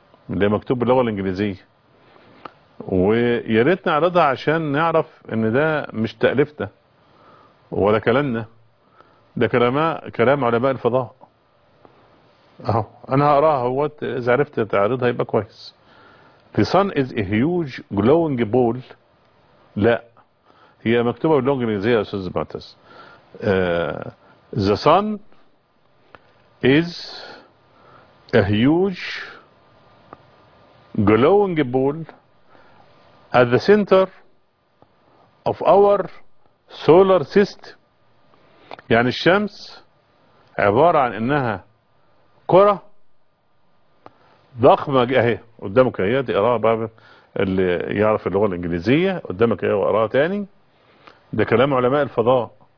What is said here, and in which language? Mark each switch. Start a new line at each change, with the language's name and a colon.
Arabic: اللي مكتوب باللغة الإنجليزية، وياريت نعرضها عشان نعرف أن ده مش تألفته ولا كلامنا، ده كلام علماء الفضاء اهو. انا هقراها اهوت، اذا عرفت تعرضها يبقى كويس.
English: The sun is a huge glowing ball.
Arabic: لا، هي مكتوبه باللغه الانجليزيه يا استاذ معتز.
English: The sun is a huge glowing ball at the center of our solar system.
Arabic: يعني الشمس عبارة عن انها كرة ضخمة اهي قدامك، هي دي اقراها بقى اللي يعرف اللغة الانجليزية، قدامك اهي واقراها تاني، ده كلام علماء الفضاء.